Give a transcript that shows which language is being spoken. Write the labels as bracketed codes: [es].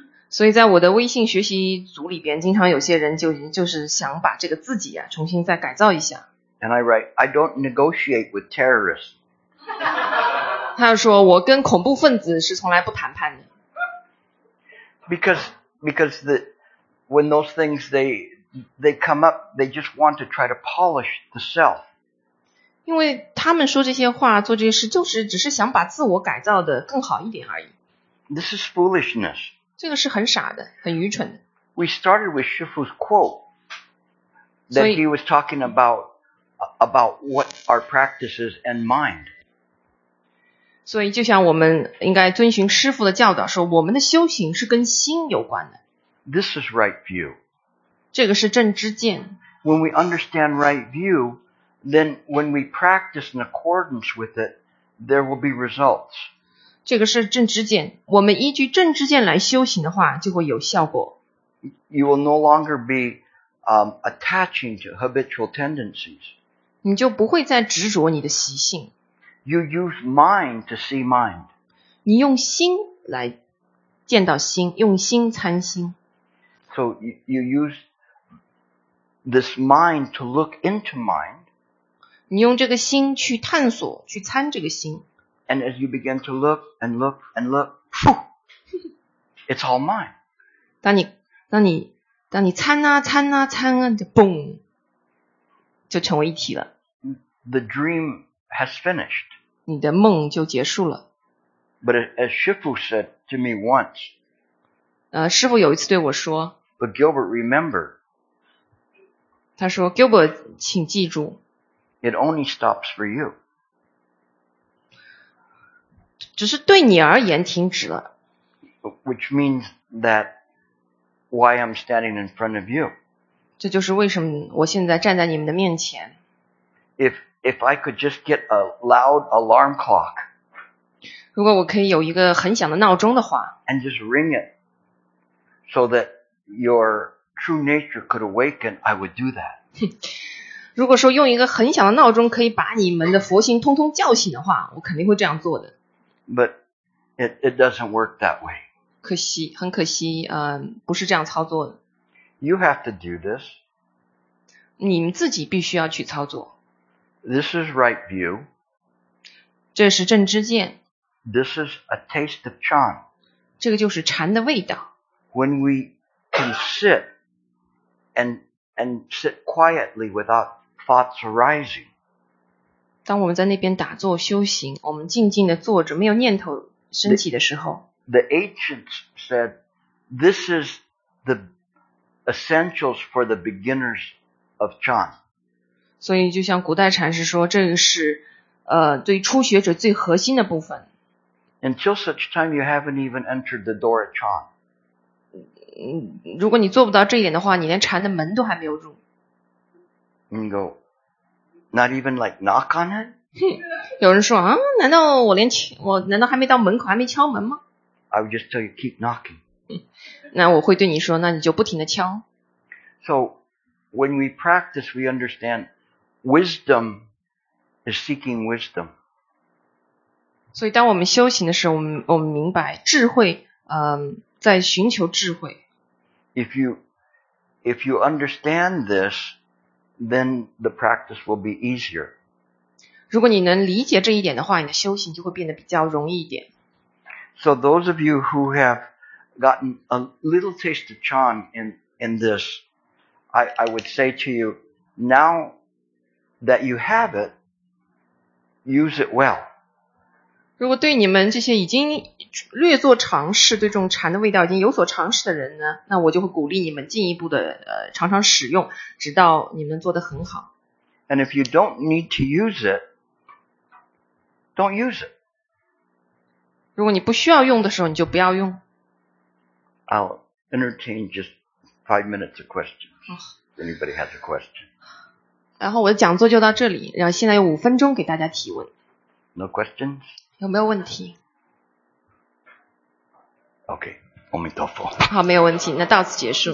[zh] 所以在我的微信学习组里边，经常有些人就是想把这个自己啊重新再改造一下。 [en] And I write, I don't negotiate with terrorists. [zh] 他说我跟恐怖分子是从来不谈判的。 [en] Because the when those things they come up, they just want to try to polish the self. [zh] 因为他们说这些话做这些事就是只是想把自我改造的更好一点而已。 [en] This is foolishness. [zh] 这个是很傻的，很愚蠢的。 [en] We started with Shifu's quote that he was talking about what our practice is and mind. [zh] 所以就像我们应该遵循师父的教导说，我们的修行是跟心有关的。 [en] This is right view. [zh] 这个是正知见。 [en] When we understand right view, then when we practice in accordance with it, there will be results. [zh] 这个是正知见。我们依据正知见来修行的话，就会有效果。 [en] You will no longer be, attaching to habitual tendencies. [zh] 你就不会再执着你的习性。 [en] You use mind to see mind. [zh] 你用心来见到心，用心参心。 [en] So you use this mind to look into mind. [zh] 你用这个心去探索，去参这个心。 [en] And as you begin to look and look and look, phew, it's all mine. [zh] 当你参啊参啊参啊，就嘣，就成为一体了。 [en] The dream has finished. [zh] 你的梦就结束了。 [en] But as Shifu said to me once, [zh] 师父有一次对我说 [en] But Gilbert, remember, [zh] 他说 Gilbert, 请记住 [en] It only stops for you. [zh] 只是对你而言停止了。 [en] Which means that why I'm standing in front of you. [zh] 这就是为什么我现在站在你们的面前。 [en] If I could just get a loud alarm clock, [zh] 如果我可以有一个很响的闹钟的话 [en] and just ring it so that your true nature could awaken, I would do that. [zh] 如果说用一个很响的闹钟可以把你们的佛性通通叫醒的话，我肯定会这样做的。 [en] But it doesn't work that way. [zh] 可惜，很可惜，不是这样操作的。 [en] You have to do this. [zh] 你们自己必须要去操作。 [en] This is right view. [zh] 这是正知见。 [en] This is a taste of chan. [zh] 这个就是禅的味道。 [en] When we can sit and sit quietly without thoughts arising. [zh] 当我们在那边打坐修行，我们静静的坐着，没有念头升起的时候。 [en] The ancients said, this is the essentials for the beginners of chan. [zh] 所以就像古代禅师说，这个是对初学者最核心的部分。 [en] Until such time you haven't even entered the door of chan. [zh] 如果你做不到这一点的话，你连禅的门都还没有入。 [en] And you go, not even like knock on it? [zh] 哼，有人说啊，难道还没到门口，还没敲门吗？ [en] I would just tell you keep knocking. [zh] 那我会对你说，那你就不停地敲。 [en] So when we practice, we understand wisdom is seeking wisdom. [zh] 所以当我们修行的时候，我们明白智慧，在寻求智慧。 [en] If you understand this, then the practice will be easier. [zh] 如果你能理解这一点的话，你的修行就会变得比较容易一点。 [en] So those of you who have gotten a little taste of Chan in this, I would say to you, now that you have it, use it well. [zh] 如果对你们这些已经略作尝试，对这种禅的味道已经有所尝试的人呢，那我就会鼓励你们进一步的常常使用，直到你们做得很好。 [en] And if you don't need to use it,Don't use it. [zh] 如果你不需要用的时候，你就不要用。 [en] I'll entertain just 5 minutes of questions. If anybody has a question. [zh] 然后我的讲座就到这里，然后现在有5分钟给大家提问。 [en] No questions? [zh] 有没有问题？ Okay, 阿弥陀佛。好，没有问题，那到此结束。